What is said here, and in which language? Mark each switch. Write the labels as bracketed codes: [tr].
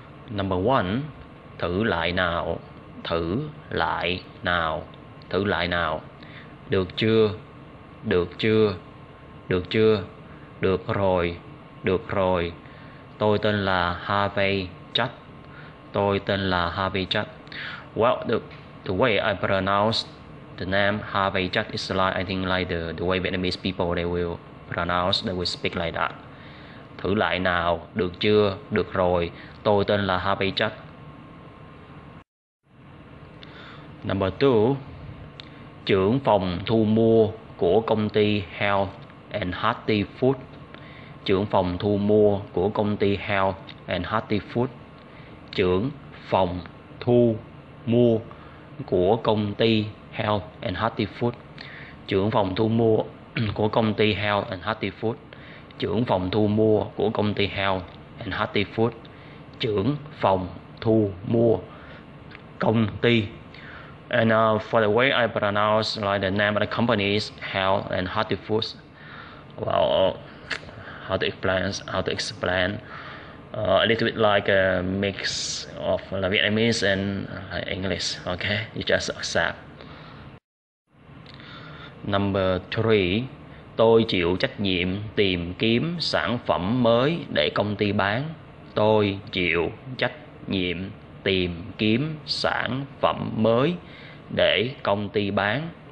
[en] Number one, [vi] thử lại nào, thử lại nào, thử lại nào. Được chưa, được chưa, được chưa, được rồi, được rồi. Tôi tên là Harvey Chat. Tôi tên là Harvey Chat. [en] Well, the way I pronounce the name Harvey Chat is like, I think like the way Vietnamese people, they will pronounce, they will speak like that. [vi] Thử lại nào, được chưa, được rồi. Tôi tên là Harvey Chat. [en] Number two, [vi] trưởng phòng thu mua của công ty Health and Hearty Food. Trưởng phòng thu mua của công ty Health and Hearty Food. Trưởng phòng thu mua của công ty Health and Hearty Food. Trưởng phòng thu mua của công ty Health and Hearty Food. Trưởng phòng thu mua của công ty Health and Hearty Food. Trưởng phòng thu mua công ty. [en] And for the way I pronounce like the name of the company is Health and Hearty Foods. Well, how to explain a little bit like a mix of Vietnamese and English, okay? You just accept. Number three, [vi] tôi chịu trách nhiệm tìm kiếm sản phẩm mới để công ty bán. Tôi chịu trách nhiệm tìm kiếm sản phẩm mới để công ty bán.